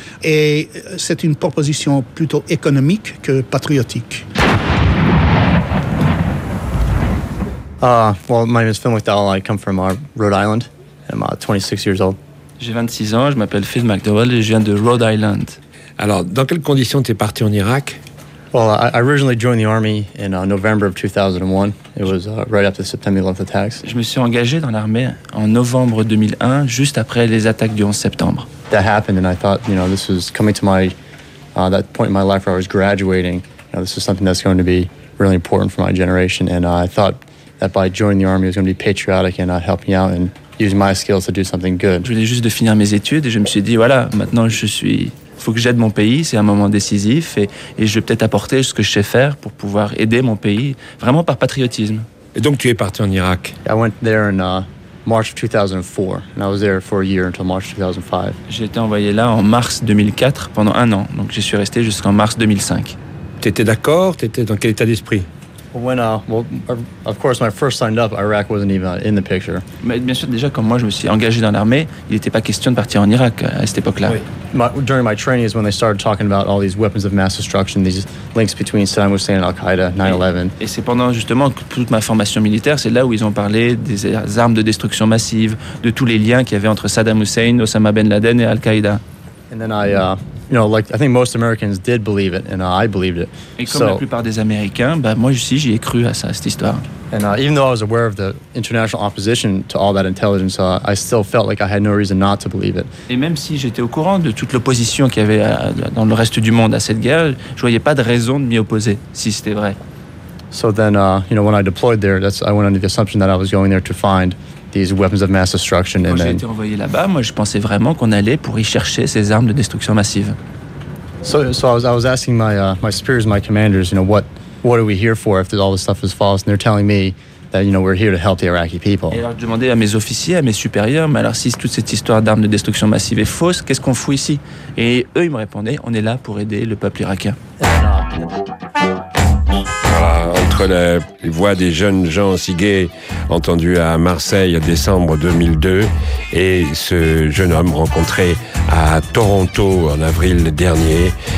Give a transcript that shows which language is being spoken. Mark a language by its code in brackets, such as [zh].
[fr] Et c'est une proposition plutôt économique que patriotique. [en] My name is Finn McDowell. I come from Rhode Island. I'm 26 years old. [fr] J'ai 26 ans, je m'appelle Finn McDowell et je viens de Rhode Island. Alors, dans quelles conditions tu es parti en Irak? [en] Well, I originally joined the army in November of 2001. It was right after the September 11th attacks. [fr] Je me suis engagé dans l'armée en novembre 2001, juste après les attaques du 11 septembre. [en] That happened, and I thought, you know, this was coming to my that point in my life where I was graduating. You know, this is something that's going to be really important for my generation, and I thought that by joining the army, it was going to be patriotic and help me out and use my skills to do something good. [fr] Je venais juste de finir mes études, et je me suis dit, voilà, maintenant je suis. Il faut que j'aide mon pays, c'est un moment décisif et je vais peut-être apporter ce que je sais faire pour pouvoir aider mon pays, vraiment par patriotisme. Et donc tu es parti en Irak? [en] I went there in March 2004 and I was there for a year until March 2005. [fr] J'ai été envoyé là en mars 2004 pendant un an, donc j'y suis resté jusqu'en mars 2005. Tu étais d'accord? Tu étais dans quel état d'esprit? [en] Of course, when I first signed up, Iraq wasn't even in the picture. [fr] Mais bien sûr, déjà, quand moi je me suis engagé dans l'armée, il n'était pas question de partir en Irak à cette époque-là. Oui. [en] During my training is when they started talking about all these weapons of mass destruction, these links between Saddam Hussein and Al-Qaïda, 9/11. [fr] Et c'est pendant justement toute ma formation militaire, c'est là où ils ont parlé des armes de destruction massive, de tous les liens qu'il y avait entre Saddam Hussein, Osama bin Laden et Al-Qaïda. [en] And then I. I think most Americans did believe it, and I believed it. [fr] Et comme la plupart des Américains, moi aussi j'y ai cru à ça, cette histoire. [en] And even though I was aware of the international opposition to all that intelligence, I still felt like I had no reason not to believe it. [fr] Et même si j'étais au courant de toute l'opposition qu'il y avait dans le reste du monde à cette guerre, je voyais pas de raison de m'y opposer, si c'était vrai. [en] So then, when I deployed there, I went under the assumption that I was going there to find these weapons of mass destruction. [fr] Quand j'ai été envoyé là-bas, moi, je pensais vraiment qu'on allait pour y chercher ces armes de destruction massive. [en] So I was asking my superiors, my commanders, what are we here for if all this stuff is false? And they're telling me that, we're here to help the Iraqi people. [fr] Et alors, je demandais à mes officiers, à mes supérieurs, mais alors si toute cette histoire d'armes de destruction massive est fausse, qu'est-ce qu'on fout ici? Et eux, ils me répondaient, on est là pour aider le peuple irakien. Entre les voix des jeunes gens si gays entendus à Marseille en décembre 2002 et ce jeune homme rencontré à Toronto en avril dernier.